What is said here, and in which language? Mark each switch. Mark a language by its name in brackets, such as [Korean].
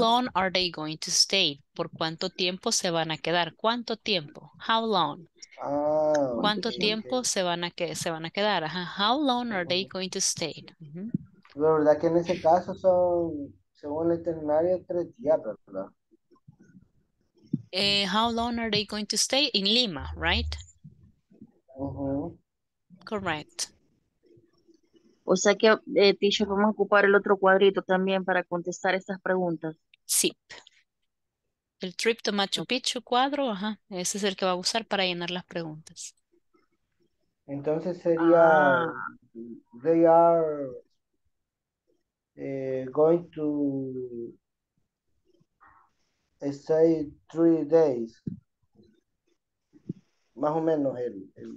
[English] long are they going to stay? [Spanish] ¿Por cuánto tiempo se van a quedar? ¿Cuánto tiempo? [English] How long? Ah, [Spanish] ¿Cuánto tiempo [English] okay. [Spanish] se van a quedar? Ajá. [English] How long are they going to stay? [Spanish] La verdad que en ese caso son, según el itinerario, 3 días, ¿verdad? [English] How long are they going to stay in Lima, right? Correct. [Spanish] O sea que, Tisha, vamos a ocupar el otro cuadrito también para contestar estas preguntas. Sí. El trip to Machu Picchu cuadro, ajá, ese es el que va a usar para llenar las preguntas. [English] Entonces sería, they are going to stay 3 days, [Spanish] más o menos el...